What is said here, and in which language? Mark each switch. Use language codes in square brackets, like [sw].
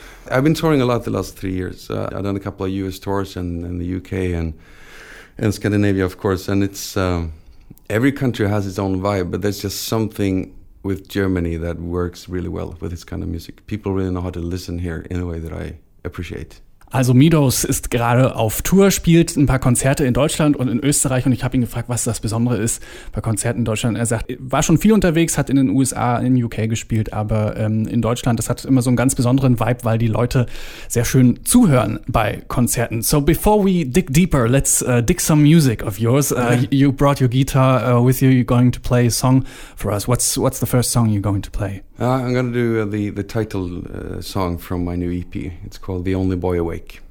[en] I've been touring a lot the last 3 years. I've done a couple of US tours and the UK and Scandinavia, of course. And it's every country has its own vibe, but there's just something with Germany that works really well with this kind of music. People really know how to listen here in a way that I appreciate. [de] Also Meadows ist gerade auf Tour, spielt ein paar Konzerte in Deutschland und in Österreich, und ich habe ihn gefragt, was das Besondere ist bei Konzerten in Deutschland. Er sagt, er war schon viel unterwegs, hat in den USA, in UK gespielt, aber in Deutschland, das hat immer so einen ganz besonderen Vibe, weil die Leute sehr schön zuhören bei Konzerten. [en] So before we dig deeper, let's dig some music of yours. You brought your guitar with you, you're going to play a song for us. What's the first song you're going to play? I'm going to do the title song from my new EP. It's called The Only Boy Awake.